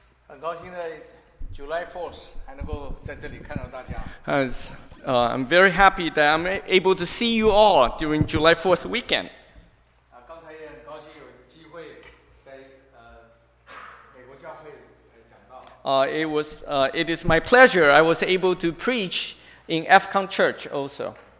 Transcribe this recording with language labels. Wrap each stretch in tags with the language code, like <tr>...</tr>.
<zh>很高兴在 July 4th 还能够在这里看到大家。</zh> <en>I'm very happy that I'm able to see you all during July 4th weekend.</en> <zh>刚才也很高兴有机会在美国教会来讲道。</zh> <en>It is my pleasure. I was able to preach in FCON Church also.</en>